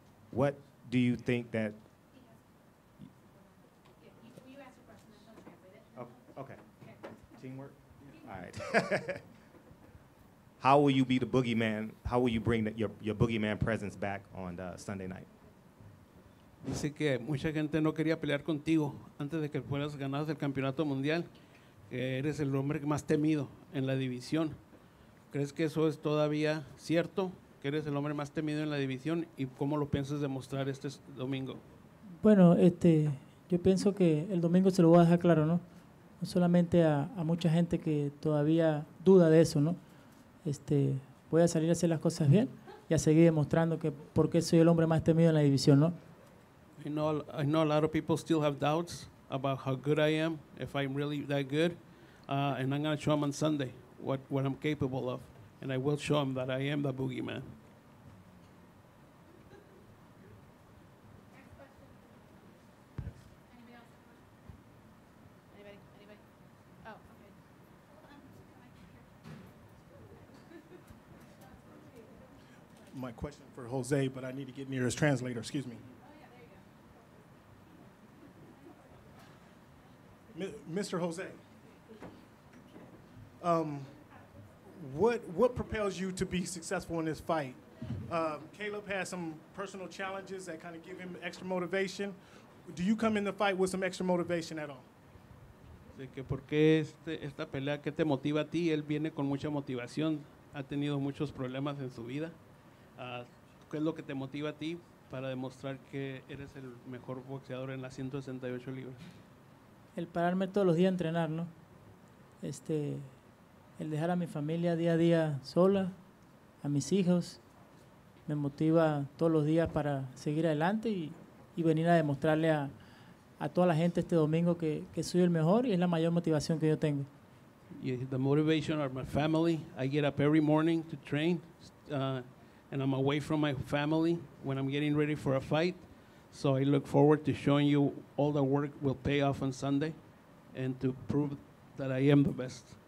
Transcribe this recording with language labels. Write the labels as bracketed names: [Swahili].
[English] What do you think that... You asked a question, don't translate it. Okay. Teamwork? Yeah. All right. How will you be the boogeyman? How will you bring your boogeyman presence back on Sunday night? [Spanish] Dice que mucha gente no quería pelear contigo antes de que fueras ganado el campeonato mundial. Eres el hombre más temido en la división. ¿Crees que eso es todavía cierto? ¿Que eres el hombre más temido en la división? ¿Y cómo lo piensas demostrar este domingo? Bueno, yo pienso que el domingo se lo voy a dejar claro, ¿no? No solamente a mucha gente que todavía duda de eso, ¿no? Voy a salir a hacer las cosas bien y a seguir demostrando que por qué soy el hombre más temido en la división, ¿no? [English] I know a lot of people still have doubts about how good I am, if I'm really that good, and I'm going to show them on Sunday what I'm capable of, and I will show them that I am the boogeyman. My question for Jose, but I need to get near his translator, excuse me. Mr. Jose, what propels you to be successful in this fight? Caleb has some personal challenges that kind of give him extra motivation. Do you come in the fight with some extra motivation at all? [Spanish] De que porque esta pelea que te motiva a ti, él viene con mucha motivación. Ha tenido muchos problemas en su vida. ¿Qué es lo que te motiva a ti para demostrar que eres el mejor boxeador en las 168 libras? El pararme todos los días a entrenar, ¿no? El dejar a mi familia día a día sola, a mis hijos, me motiva todos los días para seguir adelante y venir a demostrarle a toda la gente este domingo que soy el mejor y es la mayor motivación que yo tengo. [English] Yeah, the motivation of my family. I get up every morning to train, and I'm away from my family when I'm getting ready for a fight. So I look forward to showing you all the work will pay off on Sunday and to prove that I am the best.